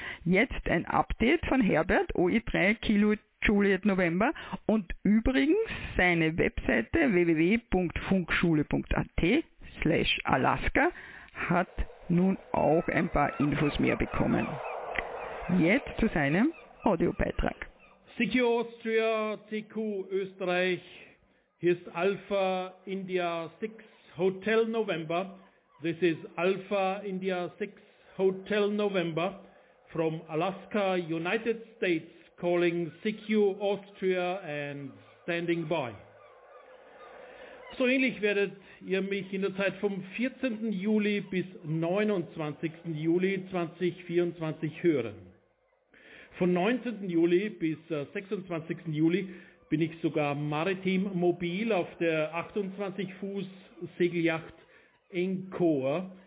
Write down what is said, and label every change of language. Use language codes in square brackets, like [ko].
[de] Jetzt ein Update von Herbert, OE3 Kilo Juliet November und übrigens seine Webseite www.funkschule.at/Alaska hat nun auch ein paar Infos mehr bekommen. Jetzt zu seinem Audiobeitrag. CQ Austria, CQ Österreich, hier ist Alpha India 6 Hotel November. [en] This is Alpha India 6 Hotel November from Alaska, United States, calling CQ Austria and standing by. [de] So ähnlich werdet ihr mich in der Zeit vom 14. Juli bis 29. Juli 2024 hören. Von 19. Juli bis 26. Juli bin ich sogar maritim mobil auf der 28 Fuß Segeljacht Encore.